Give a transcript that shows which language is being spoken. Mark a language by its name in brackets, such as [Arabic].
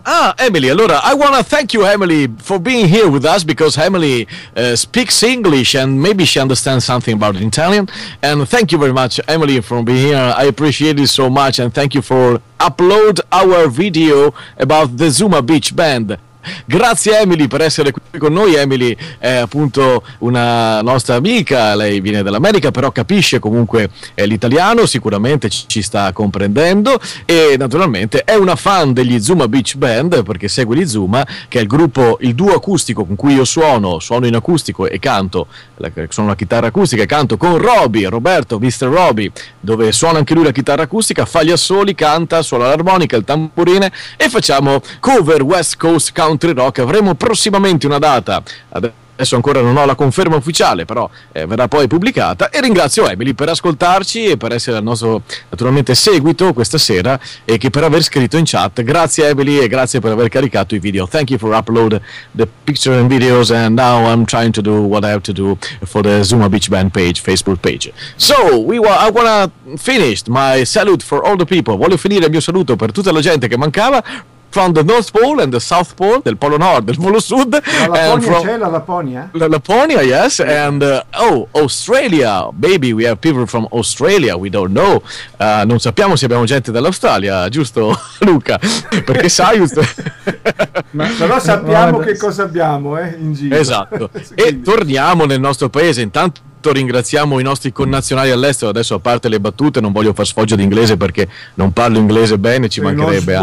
[English] Ah, Emily, allora I wanna thank you, Emily, for being here with us, because Emily speaks English and maybe she understands something about Italian, and thank you very much, Emily, for being here. I appreciate it so much, and thank you for upload our video about the Zuma Beach Band. [Italian] Grazie Emily per essere qui con noi. Emily è appunto una nostra amica, lei viene dall'America, però capisce comunque l'italiano, sicuramente ci sta comprendendo, e naturalmente è una fan degli Zuma Beach Band, perché segue gli Zuma, che è il gruppo, il duo acustico con cui io suono in acustico e canto, suono la chitarra acustica e canto con Roberto, Mr. Roby, dove suona anche lui la chitarra acustica, fa gli assoli, canta, suona l'armonica, il tamburino, e facciamo cover West Coast Country Country Rock. Avremo prossimamente una data, adesso ancora non ho la conferma ufficiale, però verrà poi pubblicata. E ringrazio Emily per ascoltarci e per essere al nostro naturalmente seguito questa sera, e che per aver scritto in chat. Grazie Emily, e grazie per aver caricato i video. [English] Thank you for upload the picture and videos, and now I'm trying to do what I have to do for the Zuma Beach Band page, Facebook page. So I wanna finish my salute for all the people. [Italian] Voglio finire il mio saluto per tutta la gente che mancava. [English] From the North Pole and the South Pole, [Italian] del Polo Nord, del Polo Sud. La Laponia, from... c'è la Laponia? La Laponia, yes. [English] And Australia, baby, we have people from Australia, we don't know. [Italian] Non sappiamo se abbiamo gente dall'Australia, giusto Luca? Perché sai, giusto? Però sappiamo che cosa abbiamo in giro. Esatto. E torniamo nel nostro paese, intanto. Ringraziamo i nostri connazionali all'estero. Adesso, a parte le battute, non voglio far sfoggio di inglese perché non parlo inglese bene, ci mancherebbe.